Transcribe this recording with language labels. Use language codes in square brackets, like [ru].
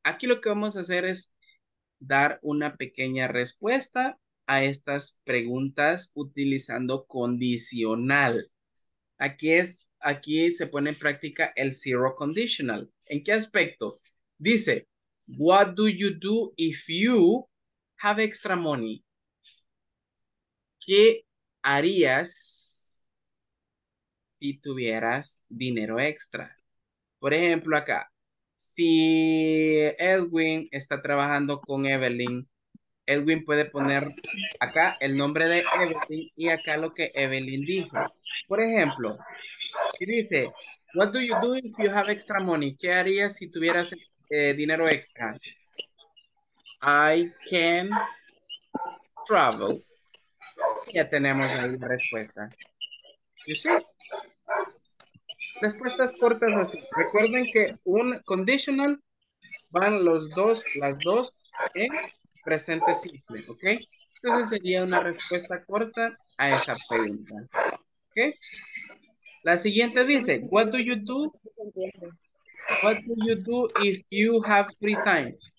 [es] Aquí lo que vamos a hacer es dar una pequeña respuesta a estas preguntas utilizando condicional. Aquí se pone en práctica el zero conditional. ¿En qué aspecto? [en] Dice, what do you do if you have extra money? [es] ¿Qué harías si tuvieras dinero extra? Por ejemplo, acá, si Edwin está trabajando con Evelyn, Edwin puede poner acá el nombre de Evelyn y acá lo que Evelyn dijo. Por ejemplo, si dice, [en] what do you do if you have extra money? [es] ¿Qué harías si tuvieras dinero extra? [en] I can travel. [es] Ya tenemos ahí la respuesta. [en] You see? [es] Respuestas cortas así. Recuerden que un conditional van los dos, las dos en presente simple, ¿ok? Entonces sería una respuesta corta a esa pregunta. ¿Ok? La siguiente dice, [en] what do you do? What do you do if you have free time?